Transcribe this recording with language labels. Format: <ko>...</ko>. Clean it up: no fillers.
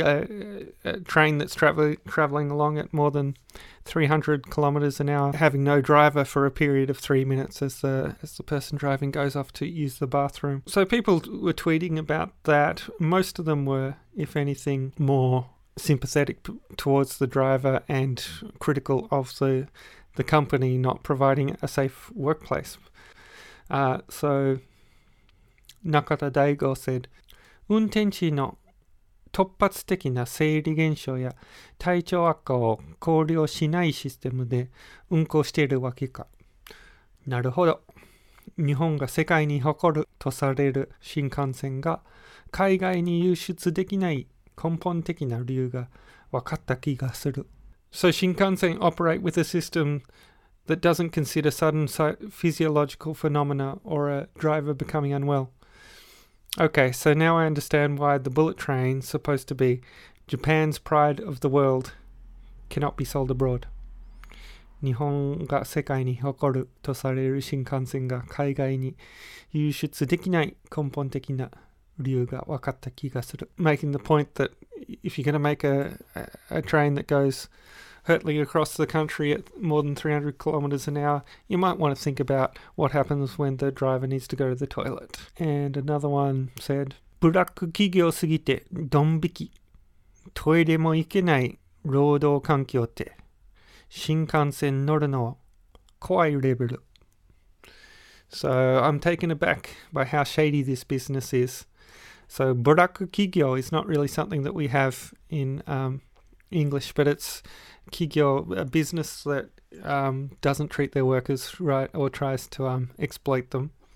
<en>A train that's traveling along at more than 300 kilometers an hour, having no driver for a period of 3 minutes as the person driving goes off to use the bathroom. So people were tweeting about that. Most of them were, if anything, more sympathetic towards the driver and critical of the company not providing a safe workplace. So Nakata Daigo said,</en> <ja>運転士の突発的な生理現象や体調悪化を考慮しないシステムで運行しているわけか。なるほど。日本が世界に誇るとされる新幹線が海外に輸出できない根本的な理由が分かった気がする。</ja> <en>So, 新幹線 operate with a system that doesn't consider sudden physiological phenomena or a driver becoming unwell. Okay, so now I understand why the bullet train, supposed to be Japan's pride of the world, cannot be sold abroad.</en> <ja>日本が世界に誇るとされる新幹線が海外に輸出できない根本的な理由が分かった気がする。</ja> <en>Making the point that if you're going to make a train that goes hurtling across the country at more than 300 kilometers an hour, you might want to think about what happens when the driver needs to go to the toilet. And another one said,</en> <ja>ブラック企業すぎてドン引き、トイレも行けない労働環境って新幹線乗るの怖いレベル。</ja> <en>So I'm taken aback by how shady this business is. So ブラック企業 is not really something that we have in English, but it's Kigyo, a business that doesn't treat their workers right or tries to exploit them.</en>